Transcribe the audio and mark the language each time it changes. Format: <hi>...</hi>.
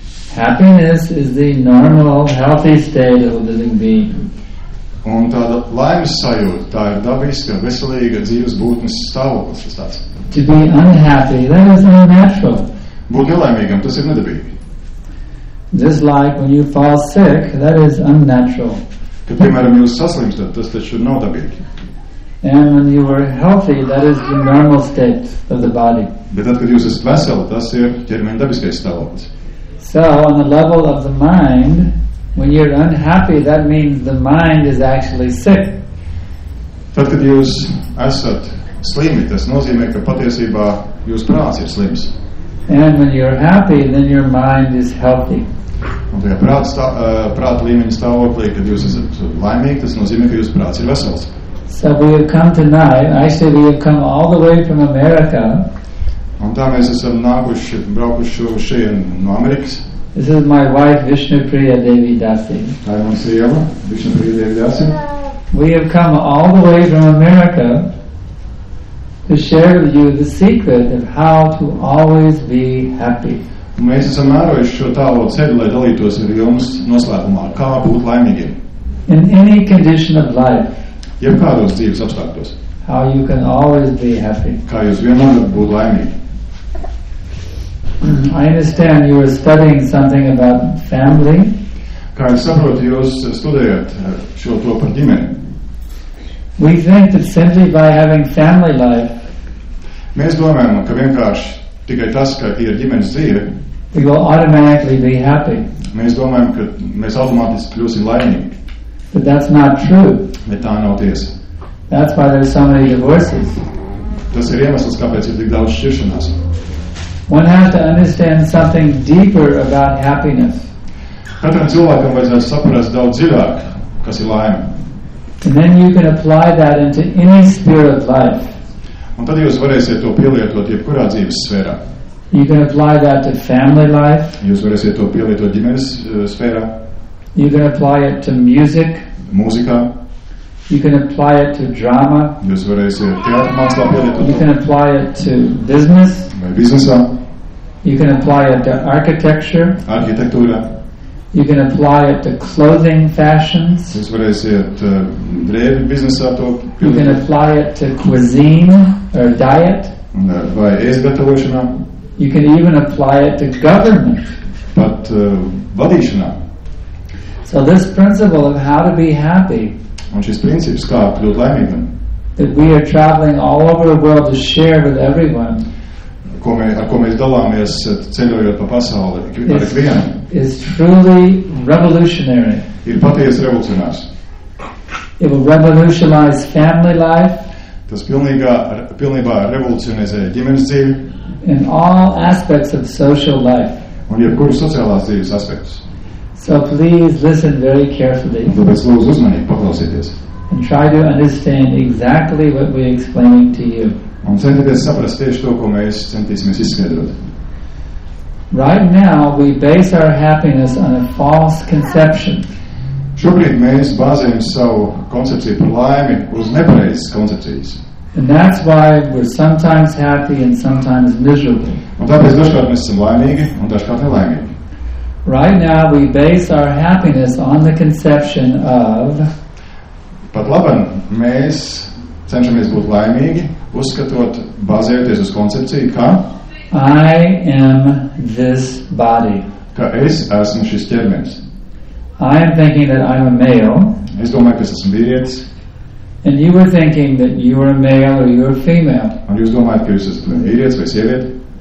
<en>Happiness is the normal, healthy state of a living being.</en> <lv>Un tāda laimes sajūta, tā ir dabiska, veselīga dzīves būtnes stāvoklis, tas tāds.</lv> <en>To be unhappy, that is unnatural.</en> <lv>Būt nelaimīgam, tas ir nedabīgi.</lv> <en>This like when you fall sick, that is unnatural.</en> <lv>Kad, piemēram, jūs saslimstat, tas taču nav dabīgi.</lv> <en>And when you are healthy, that is the normal state of the body.</en> <lv>Bet tad, kad jūs esat veseli, tas ir ķermeņa dabiskais stāvoklis.</lv> <en>So, on the level of the mind, when you're unhappy, that means the mind is actually sick.</en> <lv>Tad, kad jūs esat slimi, tas nozīmē, ka patiesībā jūs prāts ir slims.</lv> <en>And when you're happy, then your mind is healthy.</en> <lv>Un tajā prāta līmeņa stāvoklī, kad jūs esat laimīgi, tas nozīmē, ka jūs prāts ir vesels.</lv> <en>So we have come tonight, actually we have come all the way from America.</en> <lv>Un tā mēs esam nākuši, braukuši šeit no Amerikas.</lv> <en>This is my wife, Vishnupriya Devi Dasi. Hi, my sister, Vishnupriya Devi Dasi. We have come all the way from America to share with you the secret of how to always be happy.</en> <lv>Mēs esam ārvējuši šo tālo ceļu, lai dalītos ar jums noslēpumā, kā būt laimīgiem.</lv> <en>In any condition of life.</en> <lv>Jebkādos dzīves apstākļos.</lv> <en>How you can always be happy.</en> <lv>Kā jūs vienmēr būt laimīgi.</lv> <en>I understand you are studying something about family.</en> <lv>Kā es saprotu, jūs studējat šo to par ģimeni.</lv> <en>We think that simply by having family life,</en> <lv>mēs domājam, ka vienkārši tikai tas, ka ir ģimenes dzīve,</lv> <en>we will automatically be happy.</en> <lv>Mēs domājam, ka mēs automātiski kļūsim laimīgi.</lv> <en>But that's not true.</en> <lv>Bet tā nav tiesa.</lv> <en>That's why there are so many divorces.</en> <lv>Tas ir iemesls, kāpēc ir tik daudz šķiršanās.</lv> <en>One has to understand something deeper about happiness.</en> <lv>Katram cilvēkam vajadzētu saprast daudz dziļāk, kas ir laime.</lv> <en>And then you can apply that into any sphere of life.</en> <lv>Un tad jūs varēsiet to pielietot jebkurā dzīves sfērā.</lv> <en>You can apply that to family life.</en> <lv>Jūs varēsiet to pielietot ģimenes sfērā.</lv> <en>You can apply it to music.</en> <lv>Mūzikā.</lv> <en>You can apply it to drama.</en> <lv>Jūs varēsiet teātra mākslā pielietot.</lv> <en>You can apply it to business.</en> <lv>Vai biznesā.</lv> <en>You can apply it to architecture.</en> <lv>Arhitektūrā.</lv> <en>You can apply it to clothing fashions.</en> <lv>Jūs varēsiet drēbi biznesā to pilnīt.</lv> <en>You can apply it to cuisine or diet.</en> <lv>Vai ēstgatavošanā.</lv> <en>You can even apply it to government.</en> <lv>Pat vadīšanā.</lv> <en>So this principle of how to be happy.</en> <lv>Un šis princips, kā kļūt laimīgam.</lv> <en>That we are traveling all over the world to share with everyone.</en> <lv>Ar ko mēs dalāmies ceļojot pa pasauli ar ikvienu.</lv> <en>Is truly revolutionary.</en> <lv>Ir patiesi revolucionārs.</lv> <en>It will revolutionize family life.</en> <lv>Tas pilnībā revolucionizē ģimenes dzīvi.</lv> <en>In all aspects of social life.</en> <lv>Un jebkuru sociālās dzīves aspektus.</lv> <en>So please listen very carefully.</en> <lv>Tāpēc lūdzu uzmanīgi paklausieties.</lv> <en>And try to understand exactly what we're explaining to you.</en> <lv>Un centieties saprast tieši to, ko mēs centīsimies izskaidrot.</lv> <en>Right now, we base our happiness on a false conception.</en> <lv>Šobrīd mēs bāzējam savu koncepciju par laimi uz nepareizas koncepcijas.</lv> <en>And that's why we're sometimes happy and sometimes miserable.</en> <lv>Un tāpēc dažkārt mēs esam laimīgi un dažkārt nelaimīgi.</lv> <en>Right now, we base our happiness on the conception of...</en> <lv>Pat labam, mēs cenšamies būt laimīgi, uzskatot, bāzējoties uz koncepciju, ka...</lv> <en>I am this body.</en> <lv>Ka es esmu šis ķermenis.</lv> <en>I am thinking that I am a male.</en> <lv>Es domāju, ka es esmu vīrietis.</lv> <en>And you were thinking that you were a male or you were female.</en> <lv>Un jūs domājat, ka jūs esat vīrietis vai sieviete?</lv>